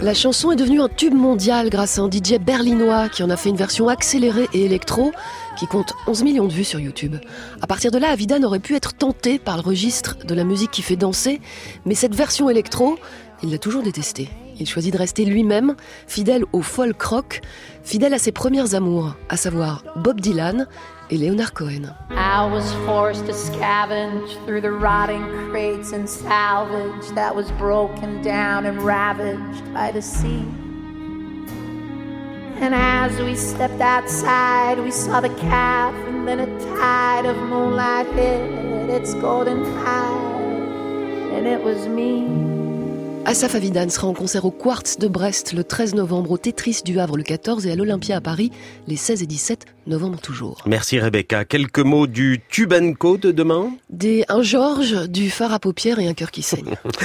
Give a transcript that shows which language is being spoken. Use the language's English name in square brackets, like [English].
[French] La chanson est devenue un tube mondial grâce à un DJ berlinois qui en a fait une version accélérée et électro qui compte 11 millions de vues sur YouTube. À partir de là, Avidan aurait pu être tenté par le registre de la musique qui fait danser, mais cette version électro, il l'a toujours détestée. Il choisit de rester lui-même, fidèle au folk rock, fidèle à ses premières amours, à savoir Bob Dylan et Leonard Cohen. [English] I was forced to scavenge through the rotting crates and salvage that was broken down and ravaged by the sea. And as we stepped outside, we saw the calf and then a tide of moonlight hit its golden tide. And it was me. [French] Asaf Avidan sera en concert au Quartz de Brest le 13 novembre, au Tetris du Havre le 14 et à l'Olympia à Paris les 16 et 17 novembre toujours. Merci Rebecca. Quelques mots du Tube & Co de demain ? Un Georges, du phare à paupières et un cœur qui saigne.